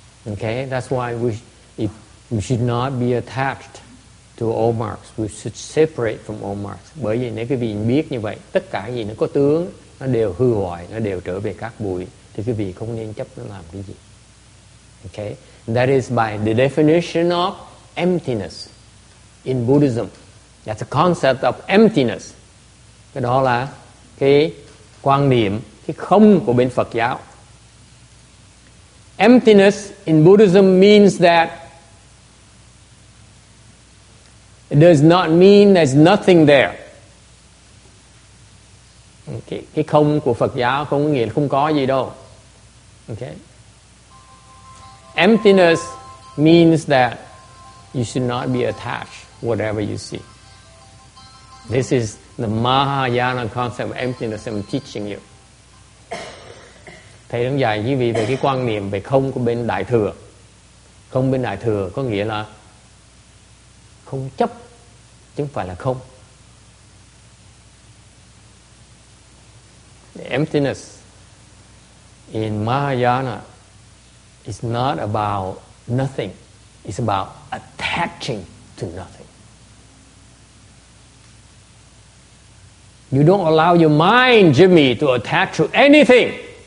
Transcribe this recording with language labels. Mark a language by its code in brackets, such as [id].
[en] Okay, that's why we should not be attached to all marks. We should separate from all marks. [vi] Bởi vì nếu quý vị biết như vậy, tất cả gì nó có tướng, nó đều hư hoại, nó đều trở về cát bụi, thì quý vị không nên chấp nó làm cái gì. [en] Okay, that is by the definition of emptiness in Buddhism. That's the concept of emptiness. [vi] Cái đó là cái quan điểm, cái không của bên Phật giáo. [en] Emptiness in Buddhism means that it does not mean there's nothing there. Okay. [vi] Cái không của Phật giáo không có nghĩa là không có gì đâu. [en] Okay. Emptiness means that you should not be attached whatever you see. This is the Mahayana concept of emptiness I'm teaching you. [vi] Thầy đang dạy quý vị về cái quan niệm về không của bên Đại Thừa. Không bên Đại Thừa có nghĩa là không chấp, chứ không phải là không. [en] The emptiness in Mahayana is not about nothing. It's about attaching to nothing. You don't allow your mind, Jimmy, to attach to anything.